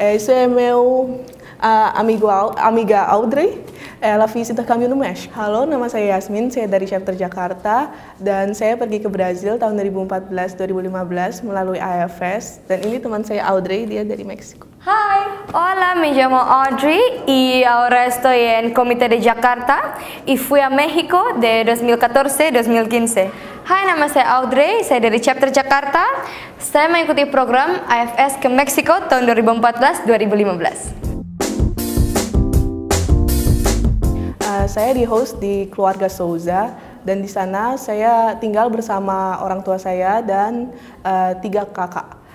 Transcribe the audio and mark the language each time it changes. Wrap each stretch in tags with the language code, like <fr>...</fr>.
<pt>Isso é meu amiga Audrey. Ela fez intercâmbio no México.</pt> <id>Halo, nama saya Yasmin, saya dari chapter Jakarta dan saya pergi ke Brazil tahun 2014-2015 melalui IFS dan ini teman saya Audrey, dia dari Meksiko.</id> <es>Hai, hola, me llamo Audrey y ahora estoy en Comité de Jakarta y fui a México de 2014-2015.</es> <id>Hai, nama saya Audrey, saya dari chapter Jakarta. Saya mengikuti program IFS ke Meksiko tahun 2014-2015. Saya di host di keluarga Souza dan di sana saya tinggal bersama orang tua saya dan tiga kakak.</id>